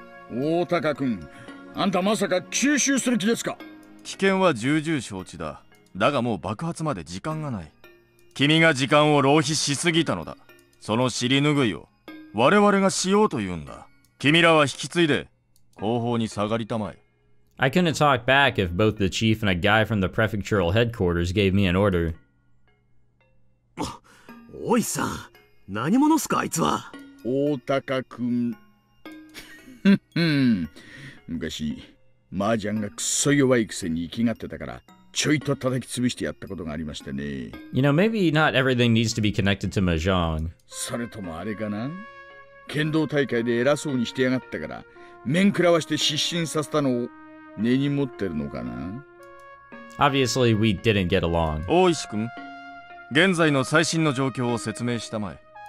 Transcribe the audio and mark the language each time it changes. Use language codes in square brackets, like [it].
[ja] 大高君、あんたまさか吸収する気ですか？危険は重々承知だ。だがもう爆発まで時間がない。君が時間を浪費しすぎたのだ。その尻拭いを我々がしようというんだ。君らは引き継いで後方に下がりたまえ。 [en] I couldn't talk back if both the chief and a guy from the prefectural headquarters gave me an order. [ja] おいさん、何者すかあいつは。大高君。昔、麻雀がクソ弱いくせに生きがってたから、ちょいと叩き潰してやったことがありましたね。 [en] You know, maybe not everything needs to be connected to Mahjong. [ja] それともあれかな、剣道大会で偉そうにしてやがったから、面食らわして失神させたのを根に持ってるのかな。 [en] Obviously, we didn't get along. [ja] 大石君、現在の最新の状況を説明したまえ。